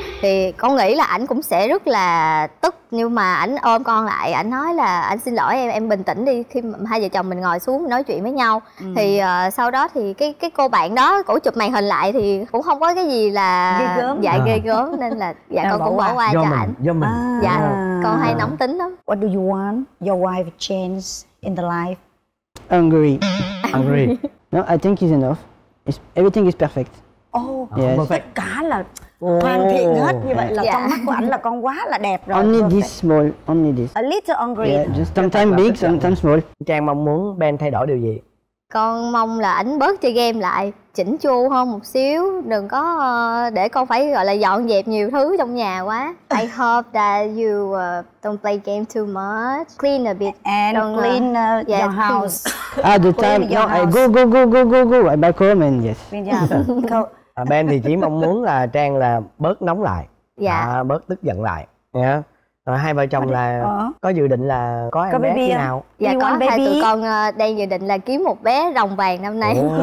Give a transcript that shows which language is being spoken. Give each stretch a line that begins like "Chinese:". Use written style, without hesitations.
Vietnamese: Thì con nghĩ là ảnh cũng sẽ rất là tức, nhưng mà ảnh ôm con lại, ảnh nói là anh xin lỗi em bình tĩnh đi, khi hai vợ chồng mình ngồi xuống nói chuyện với nhau. Thì sau đó thì cái cô bạn đó cổ chụp màn hình lại thì cũng không có cái gì là ghê gớm, nên là dạ con cũng bỏ qua cho ảnh. Do mình. Dạ con hay nóng tính lắm.
English: What do you want your wife change in the life? Angry. No, I think it's enough. Everything is perfect. Oh, yes. Perfect.
Vietnamese: Cả là hoàn thiện hết như vậy là trong mắt của ảnh là con quá là đẹp rồi.
English: Only this small, only this. A little angry. Yeah, just sometimes big, sometimes small.
Vietnamese: Trang mong muốn Ben thay đổi điều gì? Con mong là ảnh bớt chơi game lại, chỉnh chu hơn một xíu, đừng có để con phải gọi là dọn dẹp nhiều thứ trong nhà quá.
English: I hope that you don't play game too much. Clean a bit and don't clean your house. At the time, no, I go I back home and yes.
Vietnamese: Ben thì chỉ mong muốn là Trang là bớt nóng lại, bớt tức giận lại. Rồi hai vợ chồng là có dự định là có em bé khi nào? Dạ có, hai tụi con đang dự định là kiếm một bé rồng vàng năm nay.